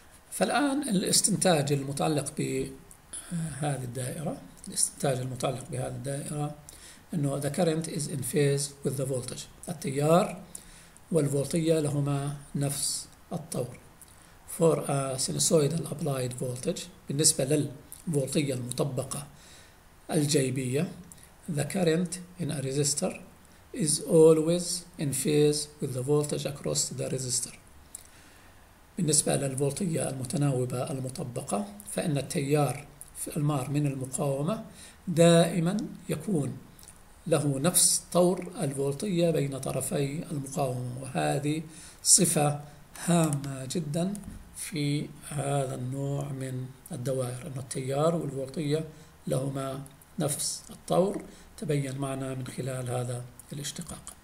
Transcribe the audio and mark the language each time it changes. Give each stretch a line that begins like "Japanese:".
Arabic: فالآن الاستنتاج المتعلق بهذه الدائرة، الاستنتاج المتعلق بهذه الدائرة أنه
English: the current is in phase with the voltage،
Arabic: التيار والفولتية لهما نفس الطور.
English: For a sinusoidal applied voltage،
Arabic: بالنسبة للفولتية المطبقة الجيبية،
English: the current in a resistor is always in phase with the voltage across the resistor.
Arabic: بالنسبة للفولتية المتناوبة المطبقة، فإن التيار في المار من المقاومة دائما يكون له نفس طور الفولتية بين طرفي المقاومة، وهذه صفة هامة جدا في هذا النوع من الدوائر، أن التيار والفولتية لهما نفس الطور، تبين معنا من خلال هذا الاشتقاق.